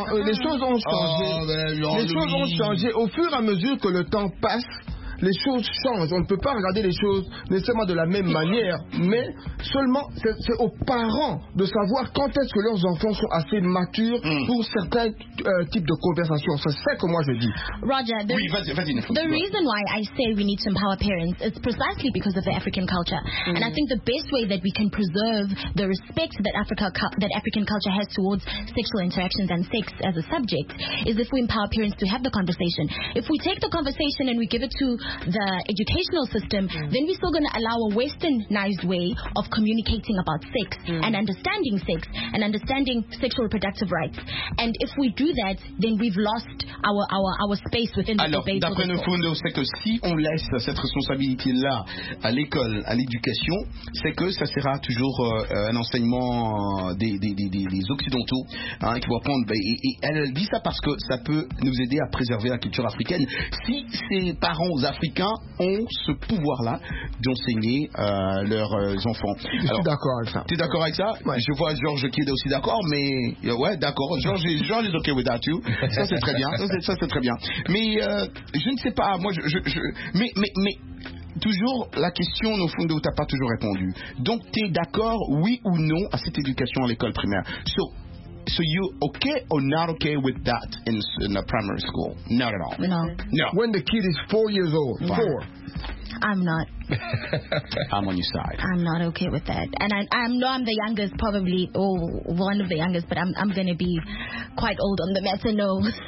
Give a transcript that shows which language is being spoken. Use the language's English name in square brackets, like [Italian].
[French] les choses ont changé au fur et à mesure que le temps passe. Les choses changent. On ne peut pas regarder les choses nécessairement de la même manière, mais seulement c'est aux parents de savoir quand est-ce que leurs enfants sont assez matures pour certains types de conversations. C'est ça que moi je dis. [English] Roger, the reason why I say we need to empower parents is precisely because of the African culture. And I think the best way that we can preserve the respect that African culture has towards sexual interactions and sex as a subject is if we empower parents to have the conversation. If we take the conversation and we give it to the educational system, then we're still going to allow a westernized way of communicating about sex and understanding sex and understanding sexual reproductive rights. And if we do that, then we've lost our space within the [French] alors, [English] debate. [French] D'après nos fondos, c'est que si on laisse cette responsabilité-là à l'école, à l'éducation, c'est que ça sera toujours un enseignement des occidentaux qui vont prendre. Et elle dit ça parce que ça peut nous aider à préserver la culture africaine. Si ses parents aux africains ont ce pouvoir-là d'enseigner leurs enfants. Alors, je suis d'accord avec ça. Tu es d'accord avec ça? Ouais. Je vois Georges qui est aussi d'accord, mais ouais, d'accord. Georges est [English] okay with that too. [French] Ça c'est très bien. Ça c'est très bien. Mais je ne sais pas. Moi, mais toujours la question au fond de où t'as pas toujours répondu. Donc tu es d'accord, oui ou non, à cette éducation à l'école primaire. [English] So you okay or not okay with that in the primary school? Not at all. No. No. When the kid is 4 years old, fine. Four. I'm not. I'm on your side. I'm not okay with that. And I'm the youngest, probably, one of the youngest, but I'm going to be quite old on the matter, no.